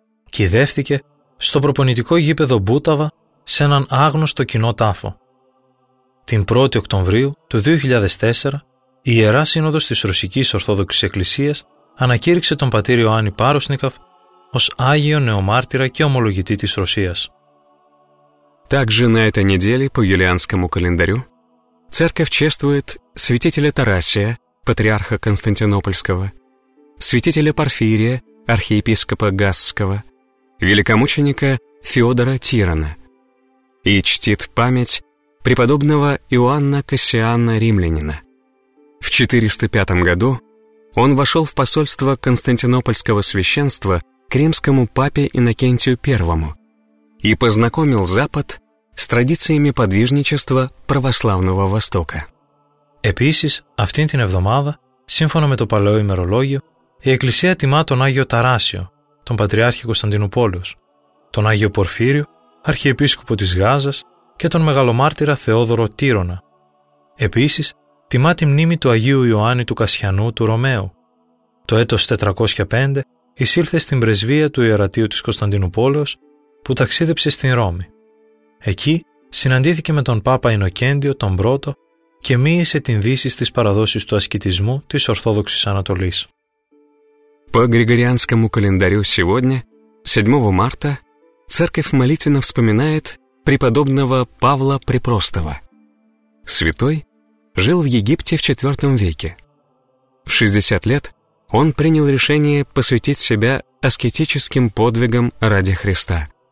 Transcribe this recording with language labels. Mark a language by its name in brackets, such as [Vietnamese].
[Greek] Κηδεύτηκε στο προπονητικό γήπεδο Μπούταβα σε έναν άγνωστο κοινό τάφο. Την 1η Οκτωβρίου του 2004, η Ιερά Σύνοδος της Ρωσικής Ορθόδοξης Εκκλησίας ανακήρυξε τον πατήρ Ιωάννη Πάρουσνικοφ ως Άγιο Νεομάρτυρα και Ομολογητή της Ρωσίας. [Russian] Также на этой неделе по юлианскому календарю церковь чествует святителя Тарасия, патриарха Константинопольского, святителя Порфирия, архиепископа Гасского, великомученика Феодора Тирана и чтит память преподобного Иоанна Кассиана Римлянина. В 405 году он вошел в посольство Константинопольского священства к римскому папе Иннокентию I и познакомил Запад с традициями подвижничества православного Востока. [Greek] Επίσης, αυτήν την εβδομάδα, σύμφωνα με το παλαιό ημερολόγιο, η Εκκλησία τιμά τον Άγιο Ταράσιο, τον Πατριάρχη Κωνσταντινούπολης, τον Άγιο Πορφύριο, Αρχιεπίσκοπο της Γάζας και τον Μεγαλομάρτυρα Θεόδωρο Τύρωνα. Επίσης, τιμά τη μνήμη του Αγίου Ιωάννη του Κασιανού του Ρωμαίου. Το έτος 405 εισήλθε στην πρεσβεία του Ιερατείου της Κωνσταντινούπολης που ταξίδεψε στην Ρώμη. Εκεί συναντήθηκε με τον Πάπα Ινοκέντιο τον Πρώτο και μίησε την δύση στις παραδόσεις του ασκητισμού της Ορθόδοξης Ανατολής. [Russian] По Григорианскому календарю сегодня, 7 марта, церковь молитвенно вспоминает преподобного Павла Препростого. Святой жил в Египте в 4 веке. В 60 лет он принял решение посвятить себя аскетическим подвигам ради Христа.